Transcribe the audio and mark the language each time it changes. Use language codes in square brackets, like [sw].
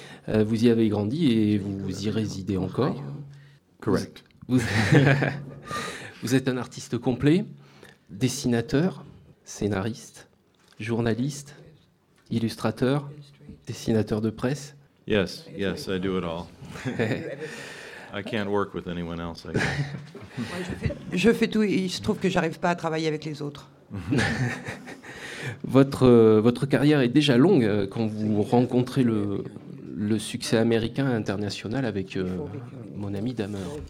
[fr] Vous y avez grandi et vous y résidez encore. Correct. Vous êtes un artiste complet, dessinateur, scénariste, journaliste, illustrateur, dessinateur de presse. [en] Yes, I do it all. I can't work with anyone else, I guess. [fr] Je fais tout et il se trouve que j'arrive pas à travailler avec les autres. Votre carrière est déjà longue quand vous rencontrez le succès américain international avec mon ami Dahmer.